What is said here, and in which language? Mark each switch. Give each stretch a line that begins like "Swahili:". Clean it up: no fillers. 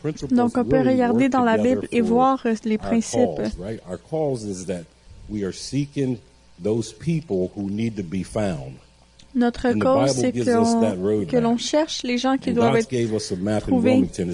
French: Donc on peut regarder dans la Bible et voir les principes.
English: Our cause is that we are seeking those people who need to be found.
French: Notre cause, c'est que l'on cherche les gens qui doivent être trouvés.